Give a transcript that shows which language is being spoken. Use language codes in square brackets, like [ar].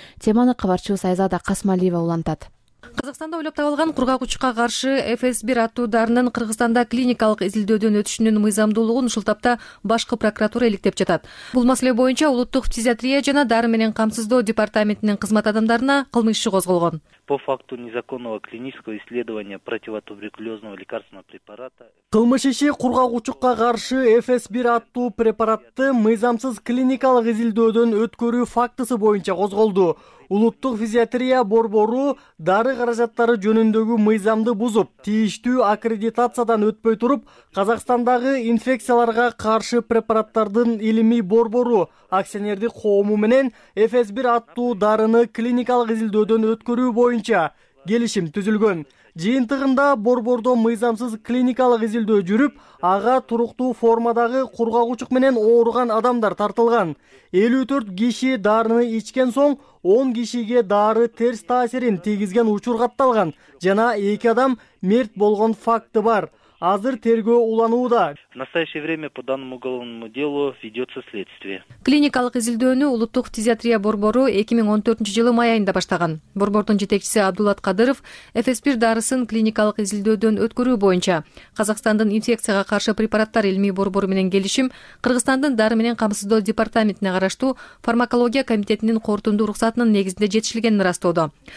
[ky] Теманы кабарчыбыз Айзада Касмалиева улантат. Казакстанда ойлоп табылган кургак учукка каршы FS1 аттуу дарынын Кыргызстанда клиникалык изилдөөдөн өтүшүнүн мыйзамдуулугун ушул тапта башкы прокуратура иликтеп жатат. Бул маселе боюнча улуттук психиатрия жана дары менен камсыздоо департаментинин кызмат адамдарына кылмыш иши козголгон. [ru] По факту незаконного клинического исследования противотуберкулезного лекарственного препарата. [ky] Кылмыш иши кургак учукка каршы FS1 аттуу препаратты мыйзамсыз клиникалык изилдөөдөн өткөрүү фактысы боюнча козголду. Улуттук физиатрия борбору дары каражаттары жөнүндөгү мыйзамды бузуп, тийиштүү аккредитациядан өтпөй туруп, Казакстандагы инфекцияларга каршы препараттардын илимий борбору акционердик коому менен FS1 аттуу дарыны клиникалык изилдөөдөн өткөрүү боюнча келишим түзүлгөн. Жыйынтыгында борбордо мыйзамсыз клиникалык изилдөө жүрүп, ага туруктуу формадагы кургак учук менен ооруган адамдар тартылган. 54 киши дарыны ичкен соң 10 кишиге дары терс таасирин тийгизген учур катталган жана 2 адам мерт болгон факты бар. Азыр тергөө уланууда. [ru] В настоящее время по данному уголовному делу ведется следствие. [ky] Клиникалык изилдөөнү улуттук физиатрия борбору 2014 жылы май айында баштаган. Борбордун жетекчиси Абдулат Кадыров FS1 дарысын клиникалык изилдөөдөн өткөрүү боюнча Казакстандын инфекцияга каршы препараттар илмий борбору менен келишим Кыргызстандын дары менен камсыздоо департаментине караштуу фармакология комитетинин корутундуу уруксатынын негизинде жетишилгенин ырастоодо.